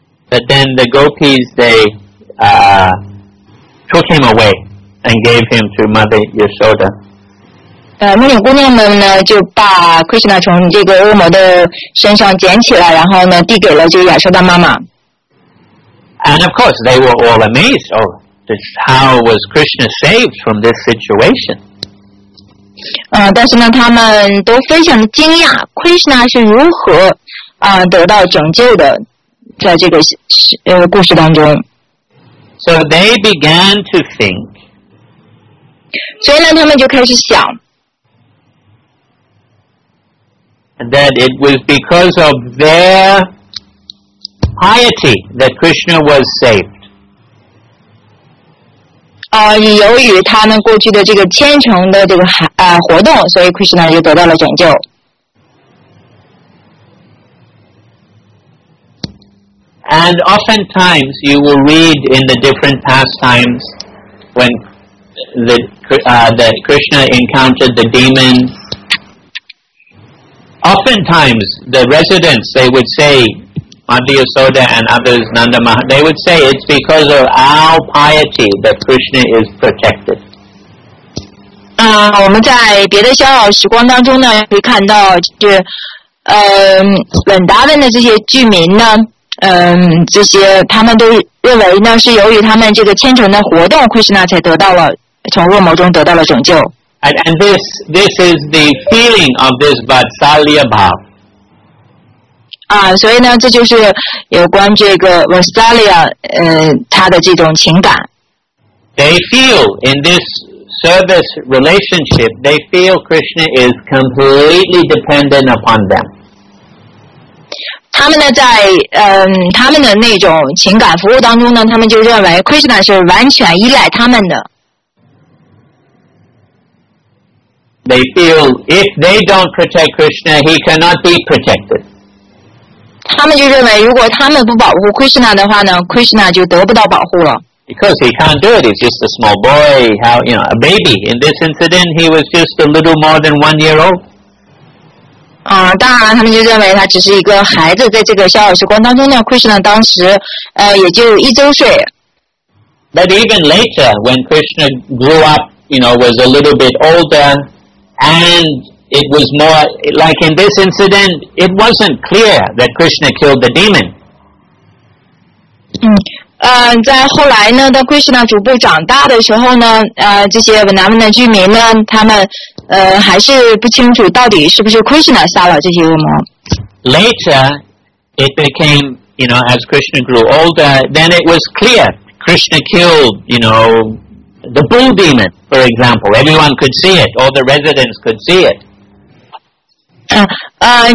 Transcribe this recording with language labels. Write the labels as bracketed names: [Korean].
[English] But then the gopis they took him away and gave him to Mother Yashoda. [Chinese] 牧女姑娘们呢就把 Krishna 从这个恶魔的身上捡起来，然后呢递给了这个亚修的妈妈。 [English] And of course, they were all amazed. Oh, how was Krishna saved from this situation? [Chinese] 但是呢，他们都非常惊讶 ，Krishna 是如何得到拯救的，在这个故事当中。 [English] So they began to think. [Chinese] 所以呢，他们就开始想 [English] that it was because of their. Piety that Krishna was saved. [Chinese] 由于他们过去的这个虔诚的这个活动，所以 Krishna 就得到了拯救。 [English] And oftentimes you will read in the different pastimes when that Krishna encountered the demon. Oftentimes the residents they would say. Mother Yashoda and others, Nanda Mahadev, they would say it's because of our piety that Krishna is protected. [Chinese] 我们在别的逍遥时光当中呢，可以看到，就文达文的这些居民呢，这些他们都认为呢，是由于他们这个虔诚的活动 ，Krishna 才得到了从恶魔中得到了拯救。 [English] And this is the feeling of this Vatsalya Bhav. [Chinese] 啊，所以呢，这就是有关这个 Vasalia 他的这种情感。 [English] They feel in this service relationship, they feel Krishna is completely dependent upon them. [Chinese] 他们呢，在他们的那种情感服务当中呢，他们就认为 Krishna 是完全依赖他们的。 [English] They feel if they don't protect Krishna, he cannot be protected. [Chinese] 他们就认为如果他们不保护 Krishna 的话呢 ,Krishna 就得不到保护了。 [English] Because he can't do it, he's just a small boy, how, you know, a baby. In this incident, he was just a little more than 1 year old. [Chinese] 当然他们就认为他只是一个孩子，在这个小小时光当中呢 ,Krishna 当时也就一周岁。 [English] But even later, when Krishna grew up, you know, was a little bit older,And it was more, like in this incident, it wasn't clear that Krishna killed the demon. [Chinese] 在后来呢，当 Krishna 逐步长大的时候呢，这些文南文的居民呢，他们还是不清楚到底是不是 Krishna 杀了这些恶魔。 [English] Later, it became, you know, as Krishna grew older, then it was clear Krishna killed, you know,The bull demon, for example, everyone could see it. All the residents could see it.